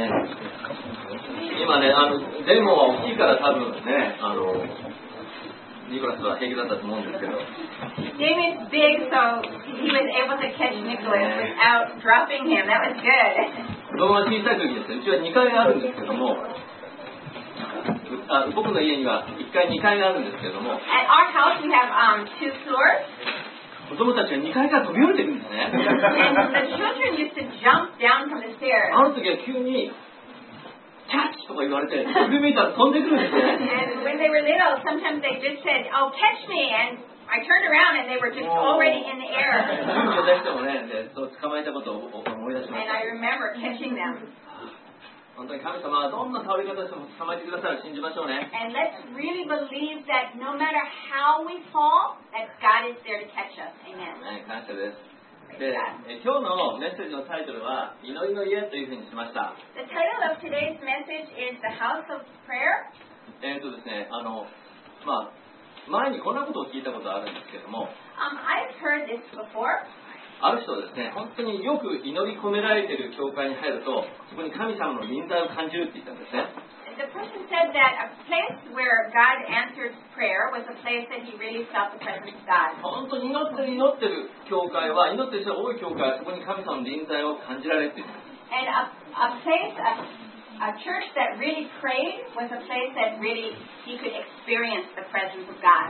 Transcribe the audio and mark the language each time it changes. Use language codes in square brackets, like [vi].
[ja] ね、今ね、デモは大きいから多分ね、ニコラスは平気だったと思うんですけど。 [en] Damon is big, so he was able to catch Nicholas without dropping him. That was good. [ja] 子供は小さい時ですね。うちは2階があるんですけども。僕の家には1階、2階があるんですけども。 [en] At our house, we have, two floors. [ja] 子供たちが2階から飛び降りてるんですね。 [en] And the children used to jump down from the stairs. [ja] あの時は急にキャッチとか言われて、飛び向いたら飛んでくるんですね。 [en] And when they were little, sometimes they just said, oh, catch me! And I turned around and they were just already in the air. [ja] 勇気を出してもね、で、そう捕まえたことを思い出しました。 [en] And I remember catching them. [ja] 本当に神様はどんな倒れ方でも捕まえてくださる信じましょうね。 [en] And let's really believe that no matter how we fall, that God is there to catch us. Amen. [ja] 感謝です。で、今日のメッセージのタイトルは祈りの家というふうにしました。 [en] The title of today's message is the house of prayer. [ja] ですね、まあ前にこんなことを聞いたことあるんですけども。 [en] I've heard this before. [ja] ある人はですね、本当によく祈り込められている教会に入ると、そこに神様の臨在を感じるって言ったんですね。 [en] The person said that a place where God answers prayer was a place that he really felt the presence of God. [ja] 本当に祈ってる教会は、祈ってる人が多い教会は、そこに神様の臨在を感じられるって言ったんです。 [en] And a place, a a church that really prayed was a place that really you could experience the presence of God.